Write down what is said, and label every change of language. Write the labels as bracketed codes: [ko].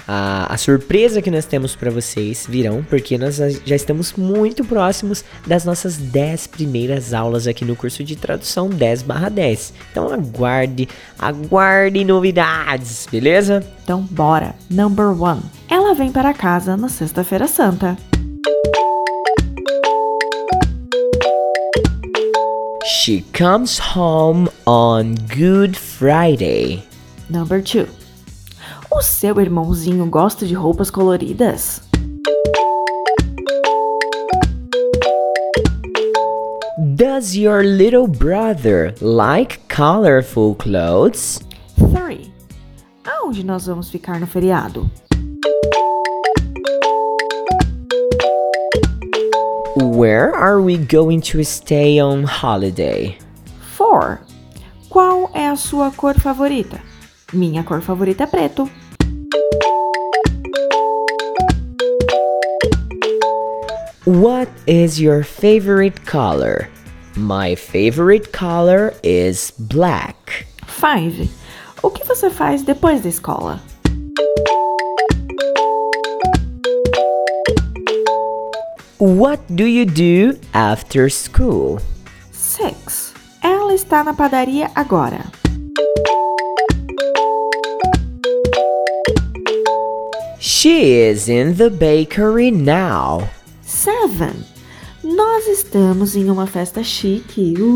[pt] A surpresa que nós temos para vocês virão, porque nós já estamos muito próximos das nossas 10 primeiras aulas aqui no curso de tradução 10/10. Então, aguarde novidades! Beleza? Então bora. [en] Number one. [pt] Ela vem para casa na Sexta-feira Santa. [en] She comes home on Good Friday. Number two. [pt] O seu irmãozinho gosta de roupas coloridas. [en] Does your little brother like colorful clothes? Three. [pt] Onde nós vamos ficar no feriado? [en] Where are we going to stay on holiday? 4. [pt] Qual é a sua cor favorita? Minha cor favorita é preto. [en] What is your favorite color? My favorite color is black. 5. [pt] O que você faz depois da escola? [en] What do you do after school? 6. [pt] Ela está na padaria agora. [en] She is in the bakery now. 7. [pt] Nós estamos em uma festa chique.